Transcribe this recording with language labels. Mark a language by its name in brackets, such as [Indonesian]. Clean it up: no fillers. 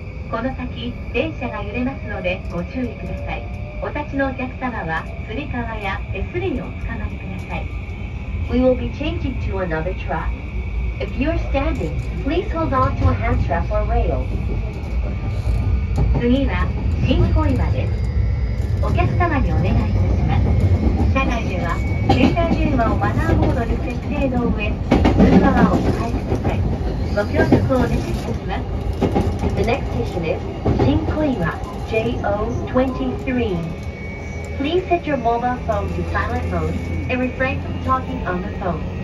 [Japanese] この先電車が揺れますのでご注意ください。お立ちのお客様はつり革や手すりにおつかまりください。 [English] We will be changing to another track. If you are standing, please hold on to a hand strap or rail. [Japanese] 次は新小岩です。お客様にお願いいたします。車内では携帯電話をマナーモードに設定の上通話はお控えください。ご協力をお願いいたします。 [English] The next station is Shinkoima, JO23. Please set your mobile phone to silent mode and refrain from talking on the phone.